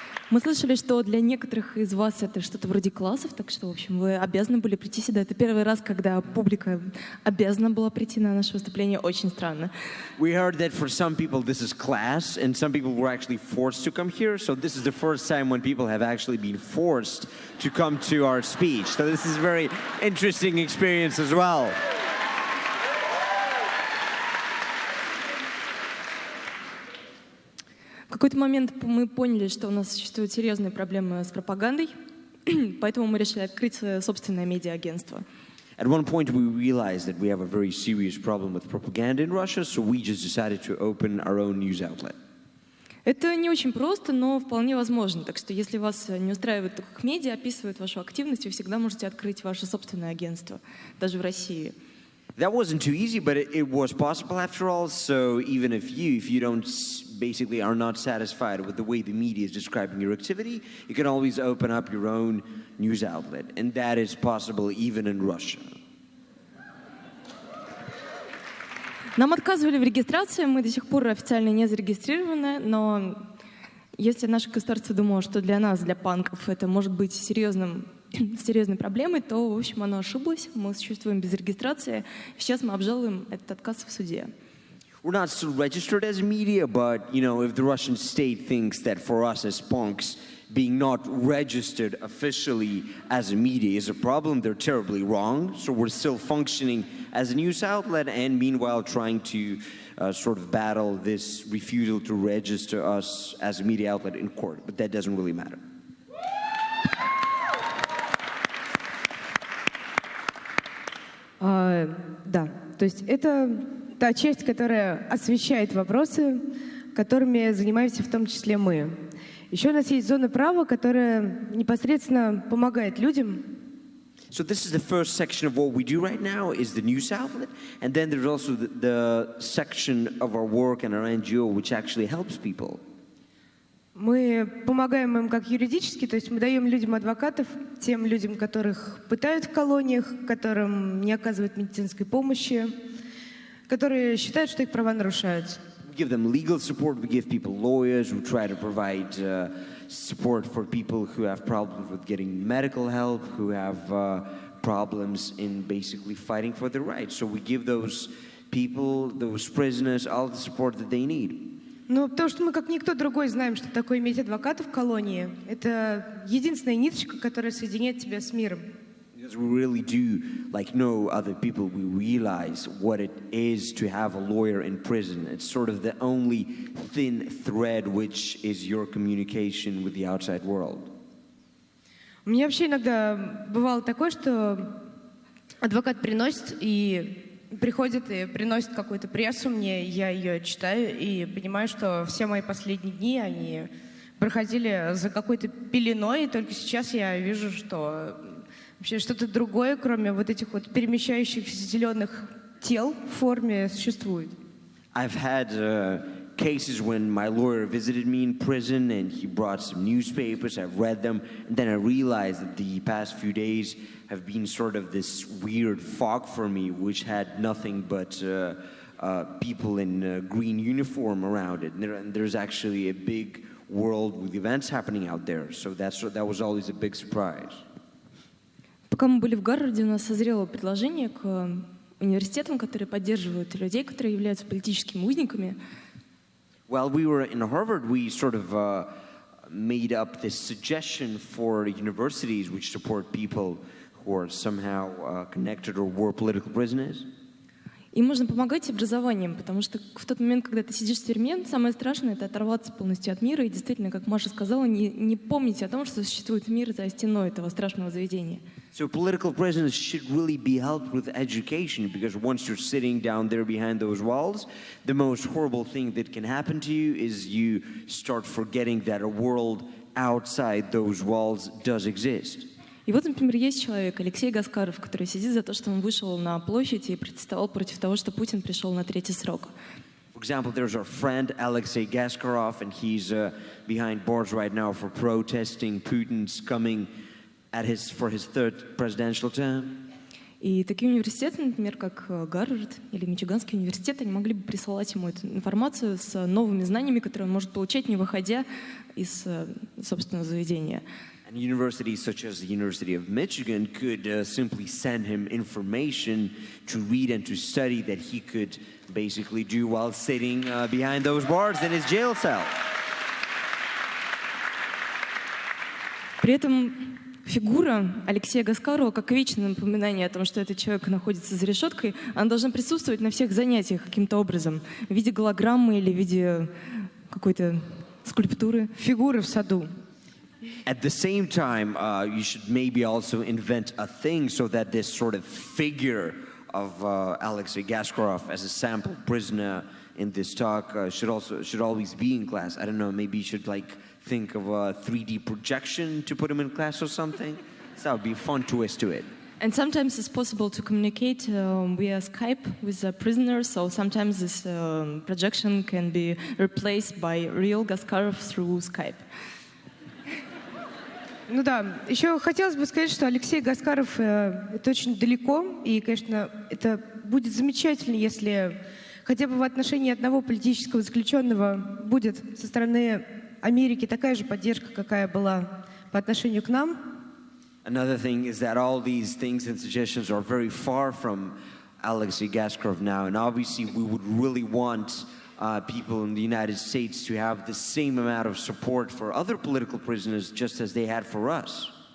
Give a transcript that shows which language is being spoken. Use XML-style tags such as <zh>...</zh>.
<ru>Мы слышали, что для некоторых из вас это что-то вроде классов, так что, в общем, вы обязаны были прийти сюда. Это первый раз, когда публика обязана была прийти на наше выступление. Очень странно.</ru> <en>We heard that for some people this is class, and some people were actually forced to come here. So this is the first time when people have actually been forced to come to our speech. So this is a very interesting experience as well.</en> <ru>В какой-то момент мы поняли, что у нас существуют серьезные проблемы с пропагандой, поэтому мы решили открыть собственное медиа-агентство.</ru> <en>At one point we realized that we have a very serious problem with propaganda in Russia, so we just decided to open our own news outlet.</en> <ru>Это не очень просто, но вполне возможно. Так что если вас не устраивает, как медиа описывают вашу активность, вы всегда можете открыть ваше собственное агентство, даже в России.</ru> <en>That wasn't too easy, but it was possible after all. So even if you don't basically are not satisfied with the way the media is describing your activity, you can always open up your own news outlet. And that is possible even in Russia.</en> <ru>Нам отказывали в регистрации, мы до сих пор официально не зарегистрированы, но если наше государство думало, что для нас, для панков, это может быть серьезным, серьезной проблемой, то, в общем, оно ошиблось, мы существуем без регистрации. Сейчас мы обжалуем этот отказ в суде.</ru> <en>We're not still registered as media, but, you know, if the Russian state thinks that for us as punks, being not registered officially as a media is a problem, they're terribly wrong. So we're still functioning as a news outlet and meanwhile trying to sort of battle this refusal to register us as a media outlet in court. But that doesn't really matter.</en> <ru>Да, то есть это та часть, которая освещает вопросы, которыми занимаемся в том числе мы. Еще у нас есть зона права, которая непосредственно помогает людям.</ru> <en>So this is the first section of what we do right now, is the news outlet. And then there's also the section of our work and our NGO, which actually helps people.</en> <ru>Мы помогаем им как юридически, то есть мы даем людям адвокатов, тем людям, которых пытают в колониях, которым не оказывают медицинской помощи, которые считают, что их права нарушаются.</ru> <en>We give them legal support, we give people lawyers, we try to provide support for people who have problems with getting medical help, who have problems in basically fighting for their rights. So we give those people, those prisoners, all the support that they need.</en> <ru>Ну, потому что мы, как никто другой, знаем, что такое иметь адвоката в колонии. Это единственная ниточка, которая соединяет тебя с миром.</ru> <en>Because we really do, like no other people, we realize what it is to have a lawyer in prison. It's sort of the only thin thread, which is your communication with the outside world.</en> <ru>У меня вообще иногда бывало такое, что адвокат приносит и приходит и приносит какую-то прессу мне, я ее читаю и понимаю, что все мои последние дни они проходили за какой-то пеленой, и только сейчас я вижу, что вообще что-то другое, кроме вот этих вот перемещающихся зеленых тел в форме, существует.</ru> <en>I've had cases when my lawyer visited me in prison and he brought some newspapers, I've read them, and then I realized that the past few days have been sort of this weird fog for me, which had nothing but people in green uniform around it. And there's actually a big world with events happening out there, so that was always a big surprise.</en> <ru>Пока мы были в Гарварде, у нас созрело предложение к университетам, которые поддерживают людей, которые являются политическими узниками.</ru> <en>While we were in Harvard, we sort of made up this suggestion for universities which support people who are somehow connected or were political prisoners.</en> <ru>И можно помогать образованием, потому что в тот момент, когда ты сидишь в тюрьме, самое страшное — это оторваться полностью от мира и действительно, как Маша сказала, не помнить о том, что существует мир за стеной этого страшного заведения.</ru> <en>So political prisoners should really be helped with education, because once you're sitting down there behind those walls, the most horrible thing that can happen to you is you start forgetting that a world outside those walls does exist.</en> <ru>И вот, например, есть человек, Алексей Гаскаров, который сидит за то, что он вышел на площадь и протестовал против того, что Путин пришел на третий срок.</ru> <en>For example, there's our friend Alexei Gaskarov, and he's behind bars right now for protesting Putin's coming for his third presidential term.</en> <ru>И такие университеты, например, как Гарвард или Мичиганский университет, они могли бы присылать ему эту информацию с новыми знаниями, которые он может получать, не выходя из собственного заведения.</ru> <en>And universities such as the University of Michigan could simply send him information to read and to study that he could basically do while sitting behind those bars in his jail cell.</en> <ru>При этом фигура Алексея Гаскарова, как вечное напоминание о том, что этот человек находится за решеткой, она должна присутствовать на всех занятиях каким-то образом, в виде голограммы или в виде какой-то скульптуры. Фигуры в саду.</ru> <en>At the same time, you should maybe also invent a thing so that this sort of figure of Alexei Gaskarov as a sample prisoner in this talk should always be in class. I don't know, maybe you should like think of a 3D projection to put him in class or something. So that would be a fun twist to it. And sometimes it's possible to communicate via Skype with a prisoner, so sometimes this projection can be replaced by real Gaskarov through Skype.</en> <ru>Ну да, еще хотелось бы сказать, что Алексей Гаскаров это очень далеко, и, конечно, это будет замечательно, если хотя бы в отношении одного политического заключенного будет со стороны Америки такая же поддержка, какая была по отношению к нам.</ru> <en>Another thing is that all these things and suggestions are very far from Alexei Gaskarov now, and obviously we would really want people in the United States to have the same amount of support for other political prisoners just as they had for us.</en>